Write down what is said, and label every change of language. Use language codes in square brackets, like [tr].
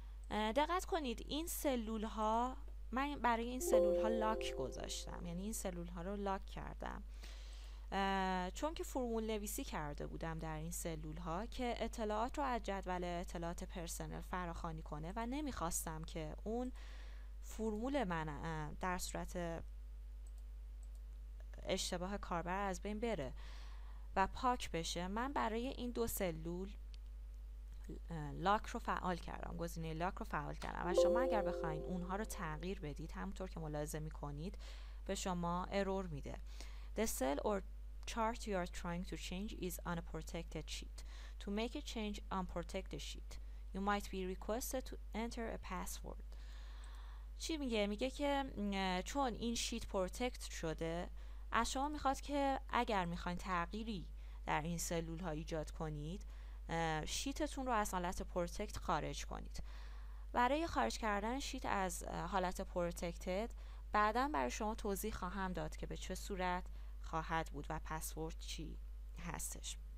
[fa] دقت کنید این سلول ها، من برای این سلول ها لاک گذاشتم، یعنی این سلول ها رو لاک کردم چون که فرمول نویسی کرده بودم در این سلول ها که اطلاعات رو از جدول اطلاعات پرسنل فراخوانی کنه و نمیخواستم که اون فرمول من در صورت اشتباه کاربر از بین بره و پاک بشه. من برای این دو سلول لاک رو فعال کردم، گزینه لاک رو فعال کردم و شما اگر بخواید اونها رو تغییر بدید، همونطور که ملاحظه میکنید به شما ارور میده. [en] The cell or chart you are trying to change is on a protected sheet. To make a change on protected sheet, you might be requested to enter a password. [fa] چی میگه؟ میگه که چون این شیت پروتکت شده، از شما میخواد که اگر میخواید تغییری در این سلول ها ایجاد کنید، شیتتون رو از حالت پروتکت خارج کنید. برای خارج کردن شیت از حالت پروتکتد، بعداً برای شما توضیح خواهم داد که به چه صورت خواهد بود و پسورد چی هستش.